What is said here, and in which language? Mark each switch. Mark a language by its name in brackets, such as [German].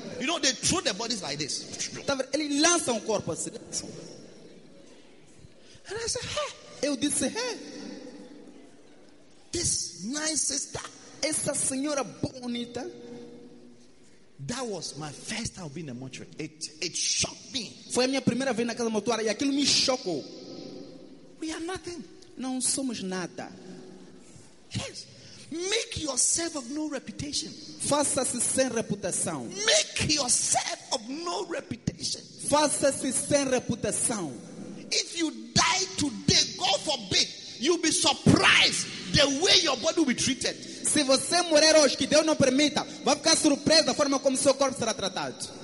[English] You know, they throw their bodies like this. [Portuguese] Ele lança um corpo assim. [English] And I said, hey. [Portuguese] Eu disse, hey. [English] This nice sister. [Portuguese] Essa senhora bonita. [English] That was my first time being in a mortuary. It shocked me. [Portuguese] Foi a minha primeira vez na casa mortuária e aquilo me chocou. [English] We are nothing. [Portuguese] Não somos nada. [English] Yes. Make yourself of no reputation. [Portuguese] Faça-se sem reputação. [English] Make yourself of no reputation. [Portuguese] Faça-se sem reputação. [English] If you die today, God forbid, you'll be surprised the way your body will be treated. [Portuguese] Se você morrer hoje, que Deus não permita, vai ficar surpreso da forma como seu corpo será tratado.